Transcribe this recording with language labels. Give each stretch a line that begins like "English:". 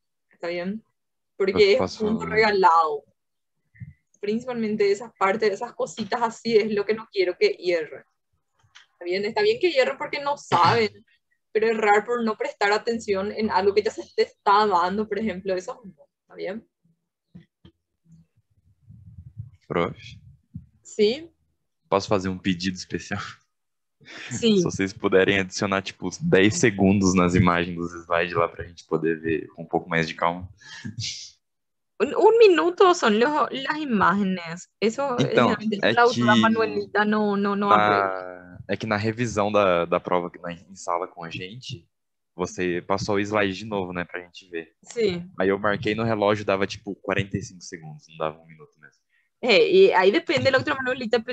Spanish: ¿Está bien? Porque es un regalado. Principalmente esas partes, esas cositas así es lo que no quiero que hierren. ¿Está bien? Está bien que hierren porque no saben, pero errar por no prestar atención en algo que ya se te está dando, por ejemplo, eso, ¿está bien?
Portuguese: Prof. Sim. Posso fazer um pedido especial? Sim. Se vocês puderem adicionar, tipo, 10 segundos nas imagens dos slides lá pra gente poder ver com um pouco mais de calma.
Spanish: Un minuto son las imágenes. Eso
Portuguese: então, é a autora Manuelita não na... É que na revisão da prova que em sala com a gente, você passou o slide de novo, né, pra gente ver. Sim. Aí eu marquei no relógio, dava tipo 45 segundos, não dava um minuto mesmo. É, e aí depende da outra Manuelita.